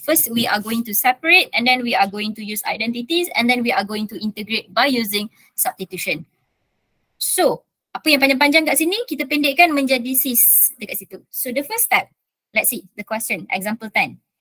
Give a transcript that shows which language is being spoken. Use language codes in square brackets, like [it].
[en] First, we are going to separate and then we are going to use identities and then we are going to integrate by using substitution. [ms] So, apa yang panjang-panjang kat sini, kita pendekkan menjadi sis dekat situ. [en] So, the first step, let's see the question, example 10.